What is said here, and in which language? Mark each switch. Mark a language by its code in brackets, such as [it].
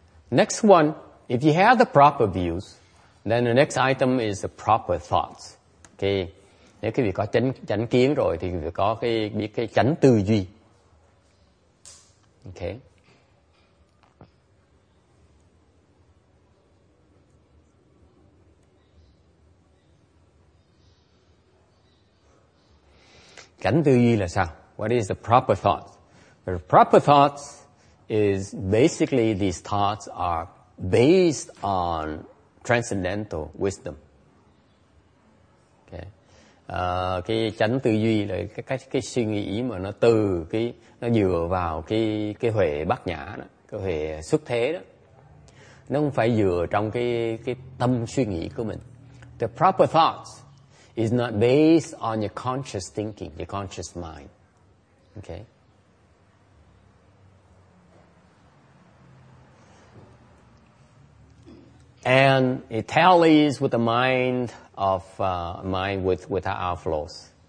[en] Next one, if you have the proper views, then the next item is the proper thoughts. Okay. [vi] Nếu quý vị có chánh kiến rồi thì quý vị có biết cái chánh tư duy. [en] Okay. [vi] cảnh tư duy là sao? [en] What is the proper thought? The proper thought is basically these thoughts are based on transcendental wisdom. Okay. [vi] Cái chánh tư duy là cái suy nghĩ mà nó từ cái nó dựa vào cái huệ bát nhã đó, cái huệ xuất thế đó. Nó không phải dựa trong cái tâm suy nghĩ của mình. [en] The proper thought is not based on your conscious thinking, your conscious mind. Okay. And it tallies with the mind of mind with our flaws.